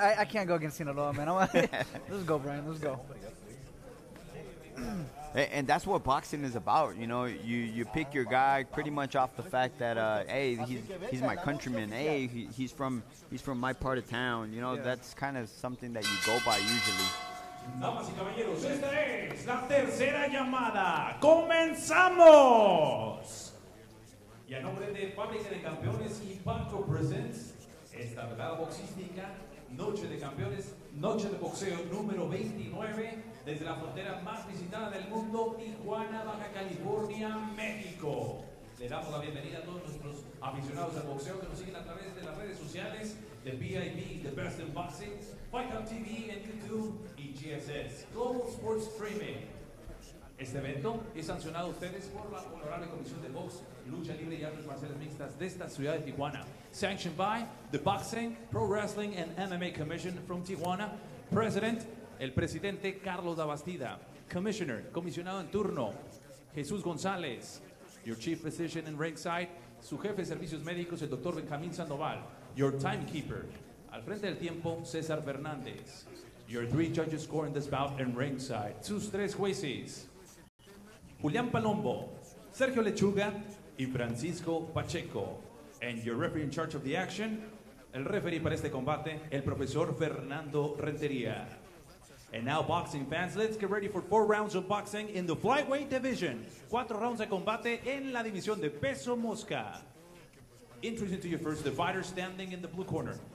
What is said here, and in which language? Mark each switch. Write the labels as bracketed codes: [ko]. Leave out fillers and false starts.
[en] I can't go against Sinaloa, man. Let's go, Brian. Let's go. And that's what boxing is about. You know, you pick your guy pretty much off the fact that, he's my countryman. He's from my part of town. You know, that's kind of something that you go by usually. [es] Damas y caballeros, esta es la tercera llamada. ¡Comenzamos! Y a nombre de Fábrica de Campeones y Paco Presents, esta velada boxística, Noche de Campeones, Noche de Boxeo número 29, desde la frontera más visitada del mundo, Tijuana, Baja California, México. Le damos la bienvenida a todos nuestros aficionados al boxeo que nos siguen a través de las redes sociales de BIB, The Best in Boxing, Fight Club TV en YouTube y GSS, Global Sports Streaming. Este evento es sancionado a ustedes por la Honorable Comisión de Box, Lucha Libre y Artes Marciales Mixtas de esta ciudad de Tijuana. [en] Sanctioned by The Boxing, Pro Wrestling and MMA Commission from Tijuana. President, [es] el presidente Carlos Dabastida. [en] Commissioner, [es] comisionado en turno, Jesús González. [en] Your chief physician in ringside, [es] su jefe de servicios médicos, el doctor Benjamín Sandoval. [en] Your timekeeper, [es] al frente del tiempo, César Fernández. [en] Your three judges scoring this bout in ringside. [es] Sus tres jueces, Julián Palombo, Sergio Lechuga y Francisco Pacheco. [en] And your referee in charge of the action, [es] el referee para este combate, el profesor [en] Fernando Rentería. And now, boxing fans, let's get ready for four rounds of boxing in the flyweight division. [es] Cuatro rounds de combate en la división de peso mosca. [en] Introducing to you first, the fighter standing in the blue corner.